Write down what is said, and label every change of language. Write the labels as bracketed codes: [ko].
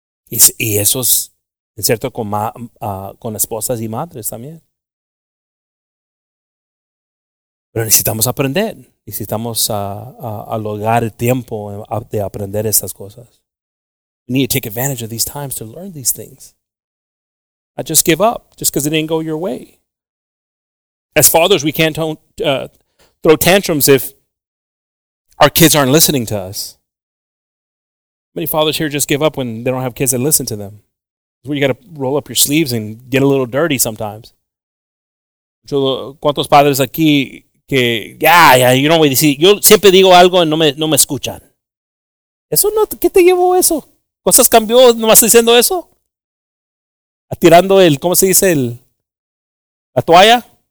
[es] Y eso es, en cierto, con esposas y madres también. Pero necesitamos aprender. Necesitamos a lograr el tiempo de aprender estas cosas. [en] We need to take advantage of these times to learn these things. Not just give up just because it didn't go your way. As fathers, we can't throw tantrums if our kids aren't listening to us. Many fathers here just give up when they don't have kids that listen to them. It's where you got to roll up your sleeves and get a little dirty sometimes. [es] ¿Cuántos padres aquí que ya, yo no voy a decir, yo siempre digo algo y no me escuchan? Eso no, ¿qué te llevó eso? ¿Cosas cambió nomás diciendo eso? ¿Tirando el, cómo se dice, la toalla?